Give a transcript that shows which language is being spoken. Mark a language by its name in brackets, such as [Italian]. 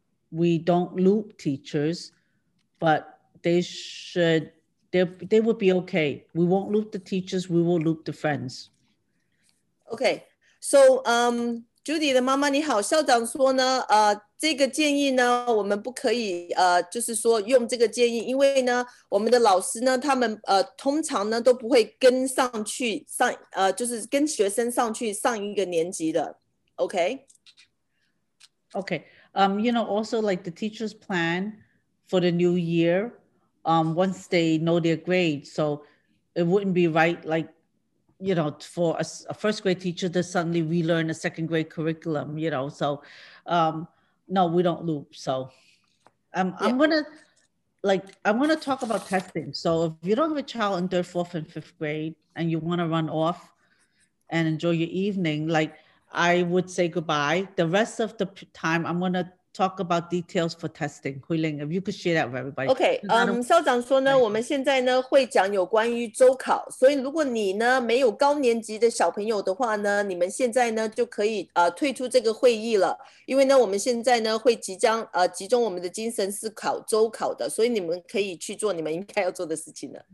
[English] We don't loop teachers, but they would be okay. We won't loop the teachers, we will loop the friends. [Chinese] Okay, so Judy 的妈妈你好，校长说呢，这个建议呢，我们不可以就是说用这个建议，因为呢，我们的老师呢，他们通常呢都不会跟上去上就是跟学生上去上一个年级的。 [English] Okay, you know, also like the teacher's plan for the new year. Once they know their grade, so it wouldn't be right, like, you know, for a first grade teacher to suddenly relearn a second grade curriculum, you know. So no, we don't loop. So I'm gonna talk about testing. So if you don't have a child in third, fourth, and fifth grade and you want to run off and enjoy your evening, like, I would say goodbye. The rest of the time I'm gonna talk about details for testing. Hui Ling, if you could share that with everybody. [Chinese] Okay, 校长说呢，我们现在呢会讲有关于周考，所以如果你呢没有高年级的小朋友的话呢，你们现在呢就可以退出这个会议了，因为呢我们现在呢会集中我们的精神思考周考的，所以你们可以去做你们应该要做的事情了。